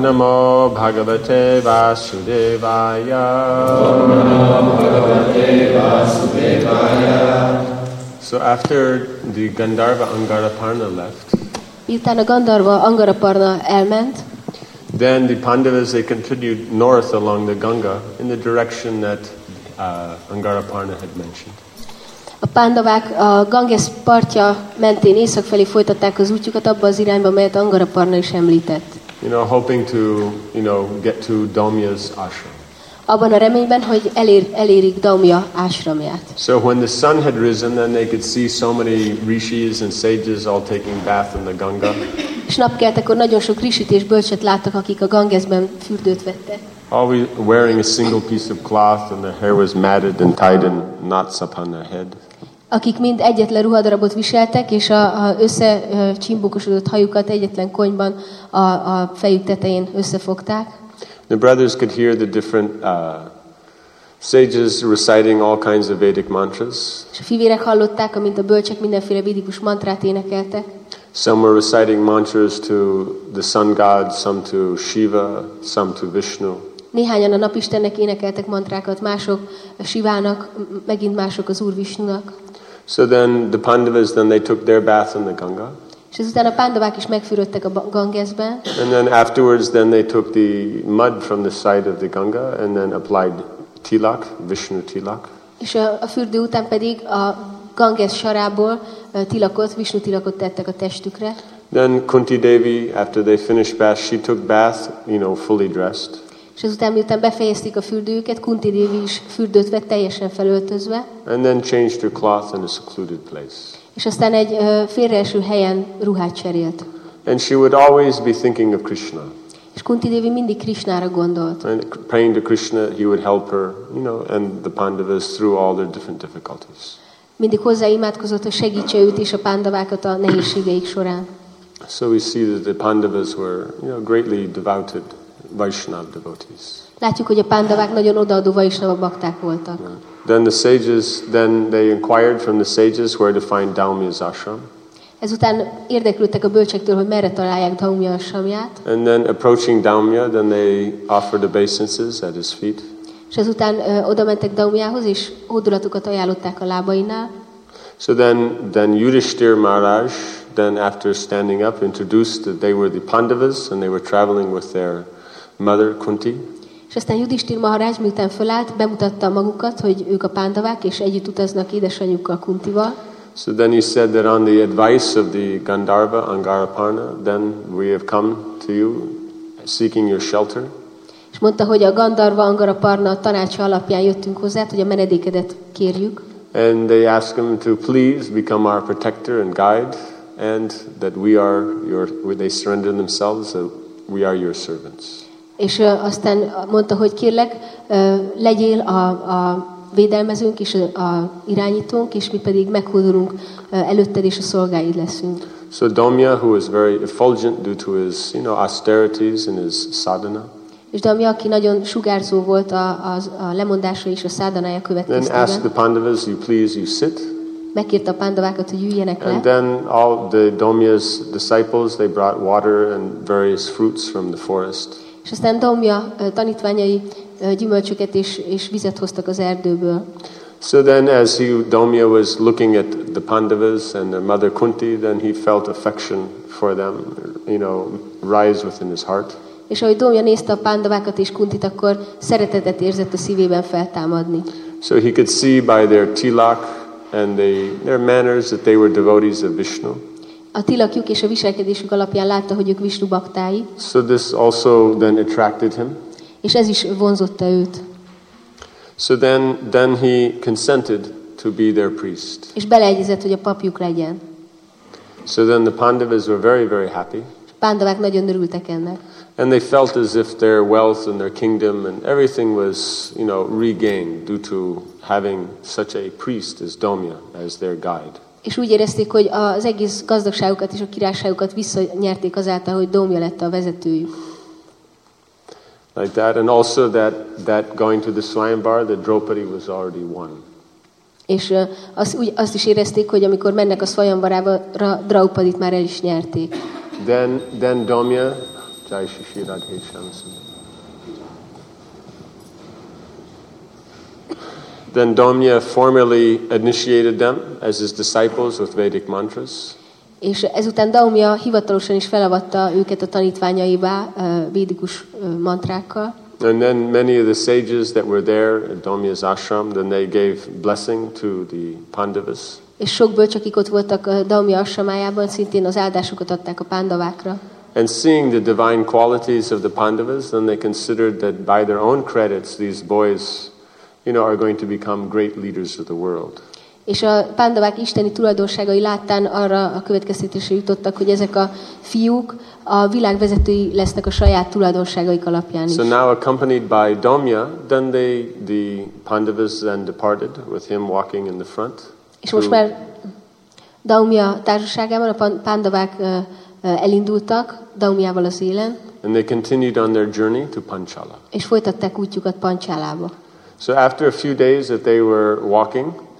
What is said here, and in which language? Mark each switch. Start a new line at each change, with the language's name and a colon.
Sanskrit: नमो भगवते वासुदेवाय
English: So after the Gandharva Angaraparna left,
Hungarian: Miután a Gandharva Angaraparna elment,
English: then the Pandavas they continued north along the Ganga in the direction that Angaraparna had mentioned.
Hungarian: A Pandavák a Ganges partja mentén észak felé folytatták az útjukat abba az irányba, melyet Angaraparna is említett.
English: You know, hoping to, you know, get to Daumya's ashram.
Hungarian: Abban a reményben, hogy elérik Daumya ásramját.
English: So when the sun had risen, then they could see so many rishis and sages all taking bath in the Ganga.
Hungarian: És napkelt, akkor nagyon sok rishit és bölcset láttak, akik a Gangesben fürdőt vettek.
English: Always wearing a single piece of cloth, and their hair was matted and tied in knots upon their head.
Hungarian: Akik mind egyetlen ruhadarabot viseltek, és a összecsimbókosodott hajukat egyetlen konyban a fejük tetején összefogták.
English: The brothers could hear the different sages reciting all kinds of Vedic mantras.
Hungarian: És a fivérek hallották, amint a bölcsek mindenféle védikus mantrát énekeltek.
English: Some were reciting mantras to the sun god, some to Shiva, some to Vishnu.
Hungarian: Néhányan a napistennek énekeltek mantrákat, mások a Shivának, megint mások az Úr Vishnunak.
English: So then the Pandavas, then they took their bath in the Ganga.
Hungarian: És ezután a Pandavák is megfürödtek a Gangesben.
English: And then afterwards, then they took the mud from the side of the Ganga and then applied tilak, Vishnu tilak.
Hungarian: És a fürdő után pedig a Ganges sarából tilakot, Vishnu tilakot tettek a testükre.
English: Then Kunti Devi, after they finished bath, she took bath, you know, fully dressed.
Hungarian: És ezután, miután befejezték a fürdőjüket, Kunti Devi is fürdőt vett teljesen felöltözve.
English: And then changed her cloth in a secluded place.
Hungarian: És aztán egy félreeső helyen ruhát cserélt.
English: And she would always be thinking of Krishna.
Hungarian: És Kunti Devi mindig Krishnára gondolt.
English: And praying to Krishna, he would help her, you know, and the Pandavas through all their different difficulties.
Hungarian: Mindig hozzá imádkozott, hogy segítse őt és a Pandavákat a nehézségeik során.
English: So we see that the Pandavas were, you know, greatly devoted Vaishnava devotees.
Hungarian: Látjuk, hogy a Pandavák nagyon odaadó Vaishnava bakták voltak.
English: Yeah. Then the sages, then they inquired from the sages where to find Daumya's ashram.
Hungarian: Ezután érdeklődtek a bölcsektől, hogy merre találják Daumya ashramját.
English: And then approaching Daumya, then they offered obeisances at his feet.
Hungarian: És ezután odamentek Daumyához, és hódulatukat ajánlották a lábainál.
English: So then Yudhishthir Maharaj, then after standing up, introduced that they were the Pandavas, and they were traveling with their mother Kunti.
Hungarian: És aztán Yudhishthir Maharaj, miután fölállt, bemutatta magukat, hogy ők a Pandavák, és együtt utaznak édesanyjukkal Kuntival.
English: So then he said that on the advice of the Gandharva Angaraparna, then we have come to you seeking your shelter.
Hungarian: És mondta, hogy a Gandharva Angaraparna tanácsa alapján jöttünk hozzá, hogy a menedékedet kérjük.
English: And they asked him to please become our protector and guide, and that we are your, they surrender themselves, that we are your servants.
Hungarian: És aztán mondta, hogy kérlek, legyél a védelmezőnk és a irányítónk, és mi pedig meghódulunk előtted, és a szolgáid leszünk.
English: So Daumya, who is very effulgent due to his, you know, austerities and his sadhana.
Hungarian: És Daumya, aki nagyon sugárzó volt a lemondása és a szádanája következtében.
English: Then ask the Pandavas, you please, you sit.
Hungarian: Megkérte a Pandavákat, hogy üljenek le.
English: And then all the Daumya's disciples, they brought water and various fruits from the forest.
Hungarian: És aztán Daumya tanítványai gyümölcsöket és vizet hoztak az erdőből.
English: So then as he, Daumya was looking at the Pandavas and their mother Kunti, then he felt affection for them, you know, rise within his heart.
Hungarian: És ahogy Daumya nézte a Pandavákat és Kuntit, akkor szeretetet érzett a szívében feltámadni.
English: So he could see by their tilak and their manners that they were devotees of Vishnu.
Hungarian: A tilakjuk és a viselkedésük alapján látta, hogy ők Vishnu baktái.
English: So this also then attracted him.
Hungarian: És ez is vonzotta őt.
English: So then he consented to be their priest.
Hungarian: És beleegyezett, hogy a papjuk legyen.
English: So then the Pandavas were very, very happy.
Hungarian: Pandavák nagyon örültek ennek.
English: And they felt as if their wealth and their kingdom and everything was, you know, regained due to having such a priest as Daumya as their guide.
Hungarian: És úgy érezték, hogy az egész gazdagságukat és a királyságukat visszanyerték azáltal, hogy Daumya lett a vezetőjük.
English: like that, and also that going to the Swayamvara, the Draupadi was already won.
Hungarian: És azt is érezték, hogy amikor mennek a Svayamvarába, Draupadit már el is nyerték.
English: Then Domya, Jai Shishi Radhe Shamsun. Then Domya formally initiated them as his disciples with Vedic mantras.
Hungarian: És ezután Domya hivatalosan is felavatta őket a tanítványaibá védikus mantrákkal.
English: And then many of the sages that were there at Domya's ashram, then they gave blessing to the Pandavas.
Hungarian: És sok bölcs, akik ott voltak Domya ashramájában, szintén az áldásukat adták a Pandavákra.
English: And seeing the divine qualities of the Pandavas, then they considered that by their own credits, these boys, you know, are going to become great leaders of the world.
Hungarian: És a Pandavák isteni tulajdonságai láttán arra a következtetésre jutottak, hogy ezek a fiúk a világ vezetői lesznek a saját tulajdonságaik alapján is.
English: So now accompanied by Domya, then they, the Pandavas then departed with him walking in the front.
Hungarian: És most már Domya társaságában a Pandavák elindultak Domyával az élen.
English: And they continued on their journey to Panchala.
Hungarian: És folytatták útjukat Panchalába.
English: So after a few days that they were walking,